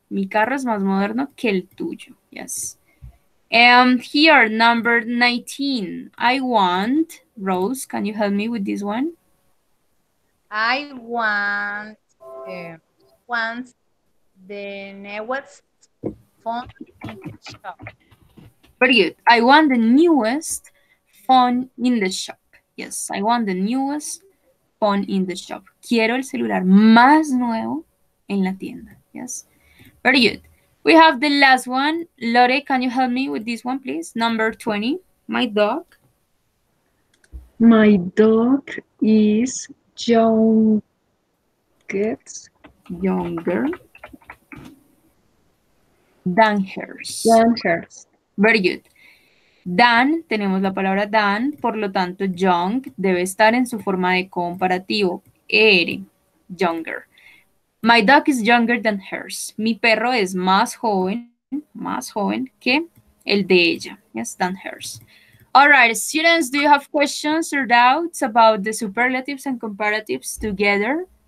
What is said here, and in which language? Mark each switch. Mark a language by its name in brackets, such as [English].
[Spanish] Mi carro es más moderno que el tuyo. [English] Yes. And here, number 19. I want, Rose, can you help me with this one? I want the newest phone in the shop. Very good. I want the newest phone in the shop. Yes, I want the newest phone in the shop. [Spanish] Quiero el celular más nuevo en la tienda. [English] Yes. Very good. We have the last one. Lore, can you help me with this one, please? Number 20. My dog. My dog is younger than hers. Than hers. Very good. [Spanish] Than, tenemos la palabra than, por lo tanto, young debe estar en su forma de comparativo. [English] Er, younger. My dog is younger than hers. [Spanish] Mi perro es más joven que el de ella. [English] Yes, than hers. All right, students, do you have questions or doubts about the superlatives and comparatives together?